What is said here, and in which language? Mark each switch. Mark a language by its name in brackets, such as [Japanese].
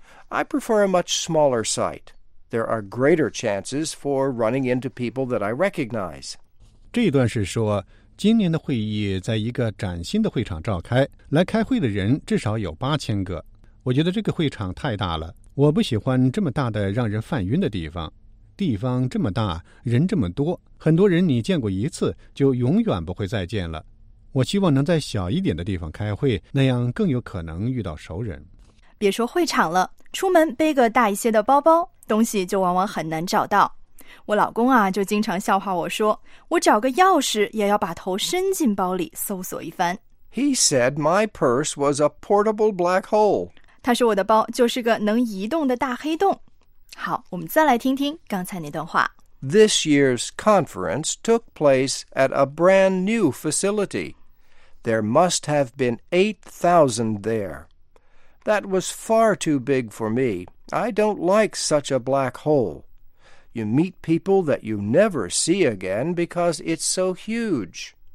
[English] I prefer a much smaller site. There are greater chances for running into people that I recognize. [Chinese] 这一段是说，今年的会议在一个崭新的会场召开，来开会的人至少有8000个。我觉得这个会场太大了，我不喜欢这么大的让人犯晕的地方。地方这么大，人这么多，很多人你见过一次就永远不会再见了。我希望能在小一点的地方开会，那样更有可能遇到熟人。别说会场了，出门背个大一些的包包，东西就往往很难找到。我老公啊，就经常笑话我说，我找个钥匙也要把头伸进包里搜索一番。 [English] He said my purse was a portable black hole. [Chinese] 他说我的包就是个能移动的大黑洞。好，我们再来听听刚才那段话。 [English] This year's conference took place at a brand new facility. There must have been 8,000 there. That was far too big for me. I don't like such a black hole. You meet people that you never see again because it's so huge.